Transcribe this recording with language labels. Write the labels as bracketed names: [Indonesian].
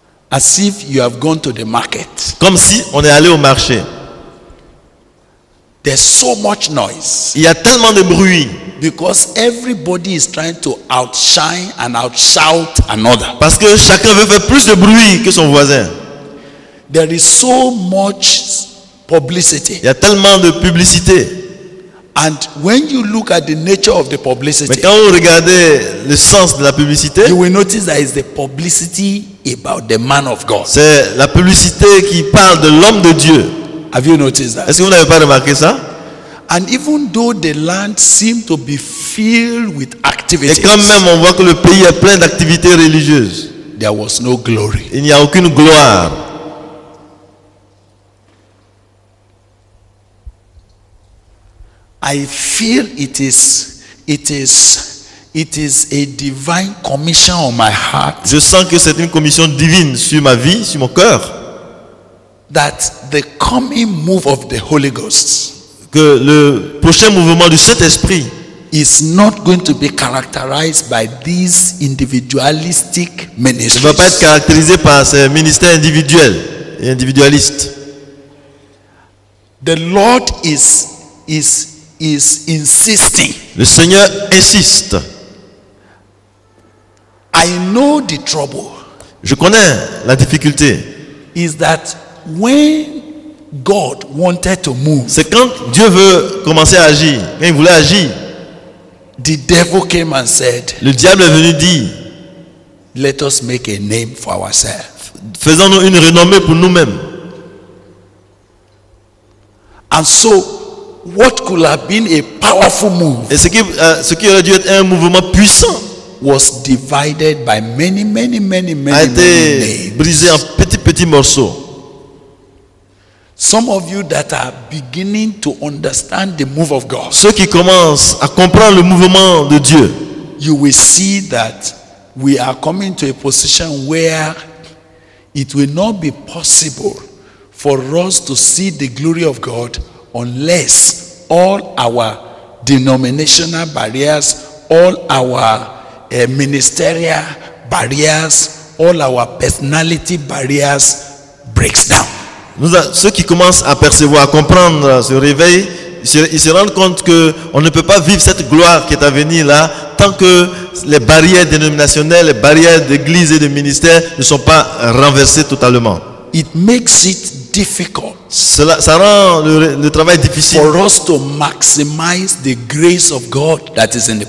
[English] As if you have gone to the market. [French] Comme si on est allé au marché. [English] There's so much noise. [French] Il y a tellement de bruit. [English] Because everybody is trying to outshine and outshout another. [French] Parce que chacun veut faire plus de bruit que son voisin. [English] There is so much publicity. [French] Il y a tellement de publicité. [English] And when you look at the nature of the publicity, [French] mais quand vous regardez le sens de la publicité, [English] you will notice that it's the publicity about the man of God. [French] C'est la publicité qui parle de l'homme de Dieu. [English] Have you noticed that? [French] Est-ce que vous n'avez pas remarqué ça? [English] And even though the land seemed to be filled with activities, [French] et quand même on voit que le pays est plein d'activités religieuses, [English] there was no glory. [French] Il n'y a aucune gloire. [English] I feel it is a divine commission on my heart. [French] Je sens que c'est une commission divine sur ma vie, sur mon cœur. [English] That the coming move of the Holy Ghost, [French] que le prochain mouvement du Saint-Esprit, [English] is not going to be characterized by these individualistic ministries. [French] Ne va pas être caractérisé par ces ministères individuels et individualistes. [English] The Lord is insisting. [French] Le Seigneur insiste. [English] I know the trouble. [French] Je connais la difficulté. [English] Is that when God wanted to move, [French] c'est quand Dieu veut commencer à agir, quand il voulait agir, [English] the devil came and said, [French] le diable est venu dire, [English] let us make a name for ourselves. [French] Faisons-nous une renommée pour nous-mêmes. [English] And so what could have been a powerful move, [French] et ce qui aurait dû être un mouvement puissant, [English] was divided by many [French] a été brisé en petits morceaux. [English] Some of you that are beginning to understand the move of God, [French] ceux qui commencent à comprendre le mouvement de Dieu, [English] you will see that we are coming to a position where it will not be possible for us to see the glory of God unless all our denominational barriers, all our ministerial barriers, all our personality barriers breaks down. [French] Ceux qui commencent à percevoir, à comprendre ce réveil, ils se rendent compte qu'on ne peut pas vivre cette gloire qui est à venir là tant que les barrières dénominationnelles, les barrières d'église et de ministère ne sont pas renversées totalement. [English] It makes it difficult. [French] Ça rend le travail difficile. [English] For us to maximize the grace of God that is in the body.